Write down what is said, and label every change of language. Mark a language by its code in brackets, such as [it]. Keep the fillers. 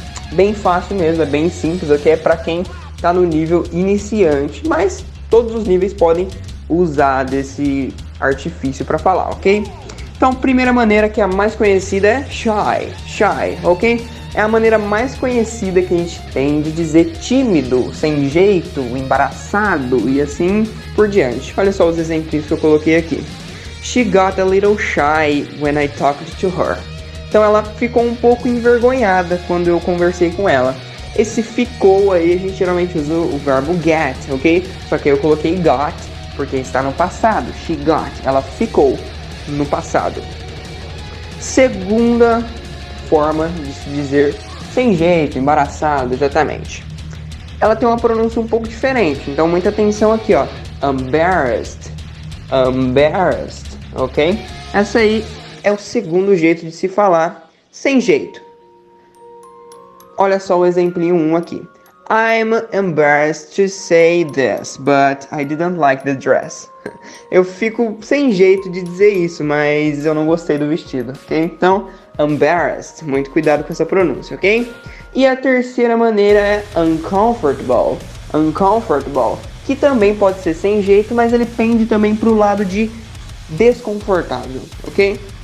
[pt] bem fácil mesmo, é bem simples, aqui okay? É para quem está no nível iniciante, mas todos os níveis podem usar desse artifício para falar, ok? Então, primeira maneira que é a mais conhecida é shy, shy, ok? É a maneira mais conhecida que a gente tem de dizer tímido, sem jeito, embaraçado e assim por diante. Olha só os exemplos que eu coloquei aqui. [en] She got a little shy when I talked to her. [pt] Então ela ficou um pouco envergonhada quando eu conversei com ela. Esse ficou aí, a gente geralmente usa o verbo get, ok? Só que eu coloquei got, porque está no passado. [en] She got, [pt] ela ficou no passado. Segunda forma de se dizer sem jeito, embaraçado, exatamente. Ela tem uma pronúncia um pouco diferente, então muita atenção aqui, ó. Embarrassed. Embarrassed, ok? Essa aí é o segundo jeito de se falar sem jeito. Olha só o exemplo 1 um aqui. [en] I'm embarrassed to say this, but I didn't like the dress. [pt] Eu fico sem jeito de dizer isso, mas eu não gostei do vestido, ok? Então, embarrassed, muito cuidado com essa pronúncia, ok? E a terceira maneira é uncomfortable. Uncomfortable, que também pode ser sem jeito, mas ele pende também para o lado de desconfortável, ok?